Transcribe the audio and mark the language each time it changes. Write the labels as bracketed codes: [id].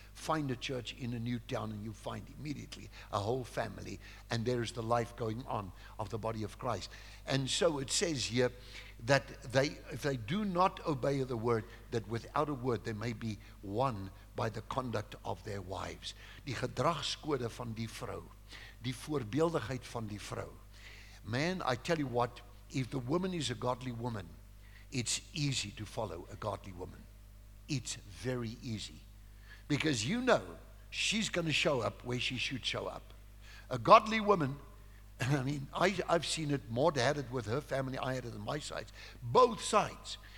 [en] Find a church in a new town and you find immediately a whole family, and there's the life going on of the body of Christ. And so it says here, that they, if they do not obey the word, that without a word they may be won by the conduct of their wives. [af] Die gedragskode van die vrou, die voorbeeldigheid van die vrou. [en] Man, I tell you what, if the woman is a godly woman, it's easy to follow a godly woman. It's very easy. Because you know, she's going to show up where she should show up. a godly woman, and I mean, I've seen it, Maud had it with her family, I had it on my side, both sides.